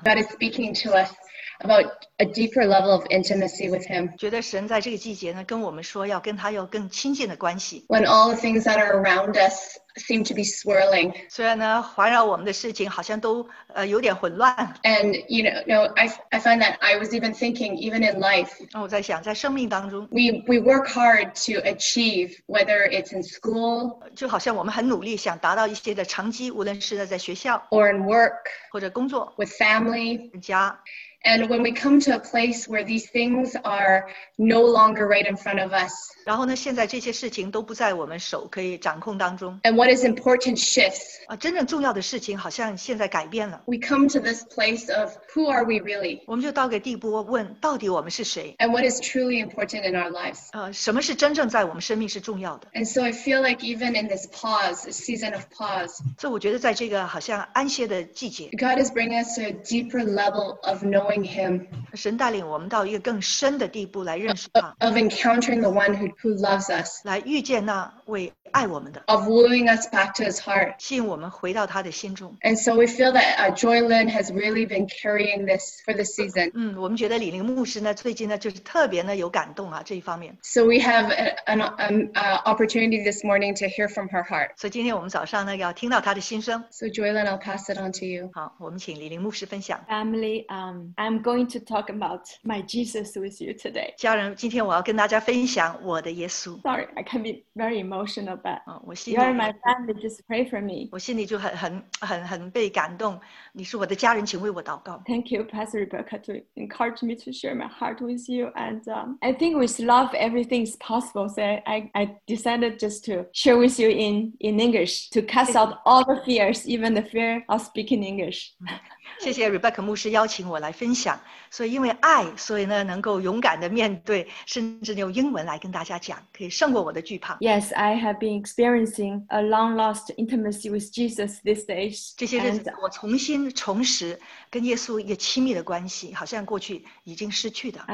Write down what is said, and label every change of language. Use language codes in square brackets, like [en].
[en] God is speaking to us about a deeper level of intimacy with Him. [zh] 觉得神在这个季节呢，跟我们说要跟他有更亲近的关系。 [en] When all the things that are around us seem to be swirling. [zh] 虽然呢，环绕我们的事情好像都有点混乱。 [en] And I find that I was even thinking, even in life. [zh] 那我在想，在生命当中。 [en] We work hard to achieve, whether it's in school. [zh] 就好像我们很努力想达到一些的成绩，无论是在学校。 [en] Or in work. [zh] 或者工作。 [en] With family. [zh] 家。 [en] And when we come to a place where these things are no longer right in front of us, [zh] 然后呢，现在这些事情都不在我们手可以掌控当中。 [en] And what is important shifts. [zh] 真正重要的事情好像现在改变了。 [en] We come to this place of who are we really? [zh] 我们就到个地步问到底我们是谁。 [en] And what is truly important in our lives? [zh] 什么是真正在我们生命是重要的。 [en] And so I feel like even in this pause, this season of pause, [zh] 所以我觉得在这个好像安歇的季节。 [en] God is bringing us to a deeper level of knowing him. [zh] 神带领我们到一个更深的地步来认识他。 [en] Of encountering the one who loves us. [zh] 来遇见那位爱我们的。 [en] Of wooing us back to his heart. [zh] 吸引我们回到他的心中。 [en] And so we feel that Joy Lynn has really been carrying this for the season. [zh] 我们觉得李玲牧师呢最近呢就是特别呢有感动啊这一方面。 [en] So we have an opportunity this morning to hear from her heart. [zh] 所以今天我们早上呢要听到她的心声。 [en] So Joy Lynn, I'll pass it on to you. [zh] 好，我们请李玲牧师分享。 [en] Family, I'm going to talk about my Jesus with you today. [zh] 家人，今天我要跟大家分享我的耶稣。 [en] Sorry, I can be very emotional, but you are my family, just pray for me. [zh] 我心里就很被感动，你是我的家人，请为我祷告。 [en] Thank you, Pastor Rebecca, to encourage me to share my heart with you. And I think with love, everything is possible. So I decided just to share with you in English, to cast out all the fears, even the fear of speaking English. [zh] 谢谢 Rebecca 牧师邀请我来分享，所以因为爱，所以呢能够勇敢的面对，甚至用英文来跟大家讲，可以胜过我的惧怕。 [en] Yes, I have been experiencing a long lost intimacy with Jesus these days. [zh] 这些日子我重新重拾跟耶稣一个亲密的关系，好像过去已经失去的。